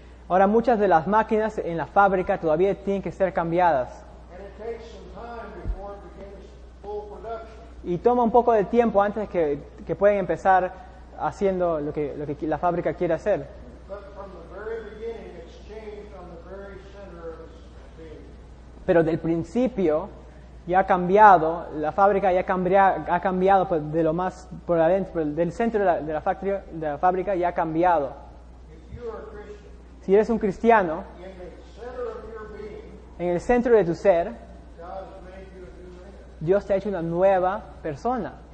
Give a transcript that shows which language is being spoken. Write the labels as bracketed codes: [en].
[es] Ahora, muchas de las máquinas en la fábrica todavía tienen que ser cambiadas. [en] And it takes some time before it begins full production. [es] Y toma un poco de tiempo antes que puedan empezar haciendo lo que la fábrica quiere hacer. [en] But from the very beginning, it's changed on the very center of its being. [es] Pero del principio ya ha cambiado, la fábrica ya ha cambiado de lo más por adentro, del centro de la fábrica ya ha cambiado. Si eres un cristiano, en el centro de tu ser, Dios te ha hecho una nueva persona.